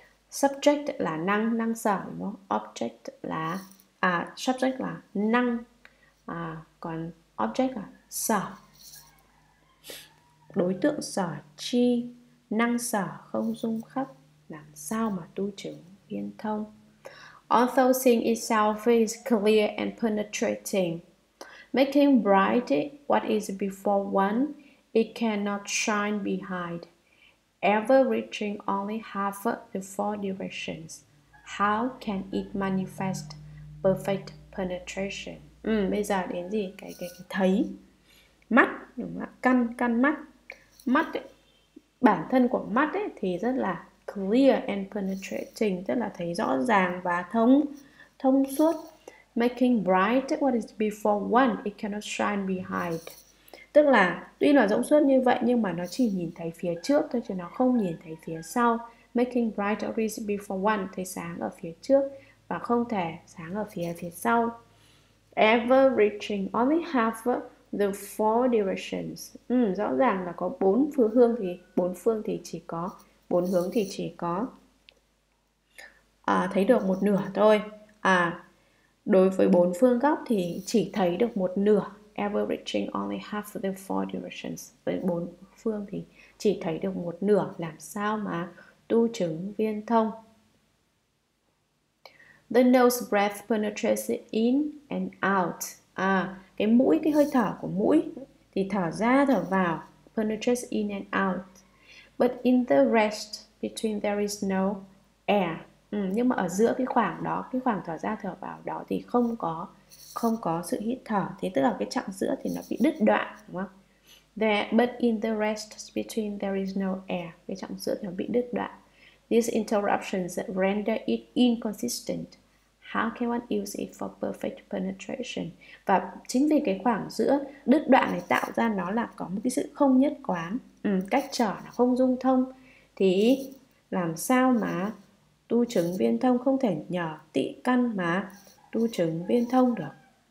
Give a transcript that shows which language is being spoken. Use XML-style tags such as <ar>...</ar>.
<vi>Subject là năng, năng sở đúng không? Object là subject là năng, còn object là sở, đối tượng sở chi, năng sở không dung khắc, làm sao mà tu chứng viên thông.</vi> <en>Although seeing itself is clear and penetrating, making bright what is before one, it cannot shine behind, ever reaching only half the four directions. How can it manifest perfect penetration?</en> <vi>Bây giờ đến gì? Cái thấy mắt đúng không? Căn căn mắt, mắt ấy, bản thân của mắt ấy thì rất là</vi> <en>clear and penetrating,</en> <vi>tức là thấy rõ ràng và thông thông suốt.</vi> <en>Making bright what is before one, it cannot shine behind.</en> <vi>Tức là tuy là rỗng suốt như vậy nhưng mà nó chỉ nhìn thấy phía trước thôi, chứ nó không nhìn thấy phía sau.</vi> <en>Making bright what is before one,</en> <vi>thấy sáng ở phía trước và không thể sáng ở phía sau.</vi> <en>Ever reaching only half the four directions.</en> <vi>Rõ ràng là có bốn phương hướng thì chỉ có bốn hướng thì chỉ có thấy được một nửa thôi. Đối với bốn phương góc thì chỉ thấy được một nửa</vi> <en>averaging only half the four directions.</en> <vi>Với bốn phương thì chỉ thấy được một nửa, làm sao mà tu chứng viên thông?</vi> <en>The nose breath penetrates in and out.</en> <vi>À, cái mũi, cái hơi thở của mũi thì thở ra thở vào,</vi> <en>penetrates in and out. But in the rest between there is no air.</en> <vi>Ừ, nhưng mà ở giữa cái khoảng đó, cái khoảng thở ra thở vào đó thì không có sự hít thở. Thế tức là cái chặng giữa thì nó bị đứt đoạn, đúng không?</vi> <en>But in the rest between there is no air.</en> <vi>Cái chặng giữa thì nó bị đứt đoạn.</vi> <en>These interruptions render it inconsistent. How can one use it for perfect penetration?</en> <vi>Và chính vì cái khoảng giữa đứt đoạn này tạo ra nó là có một cái sự không nhất quán, cách trở là không dung thông, thì làm sao mà tu chứng viên thông, không thể nhờ tị căn mà tu chứng viên thông được.</vi>